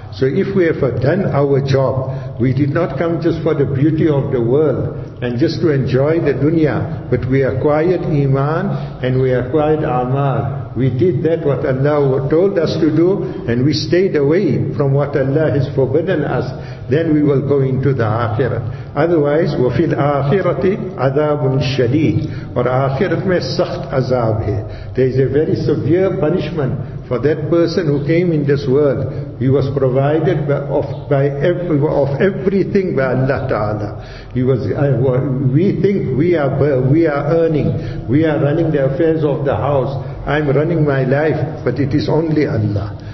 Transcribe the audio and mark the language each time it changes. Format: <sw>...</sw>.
<en>So if we have done our job, we did not come just for the beauty of the world and just to enjoy the dunya, but we acquired iman and we acquired amal. We did that what Allah told us to do, and we stayed away from what Allah has forbidden us, then we will go into the akhirat. Otherwise,</en> <ar>وَفِي الْآخِرَةِ عَذَابٌ شَدِيدٌ.</ar> <ur>Or akhirat mein sakht azab hai.</ur> <en>There is a very severe punishment for that person who came in this world. He was provided of everything by Allah Ta'ala. We think we are earning. We are running the affairs of the house. I'm running my life, but it is only Allah.</en>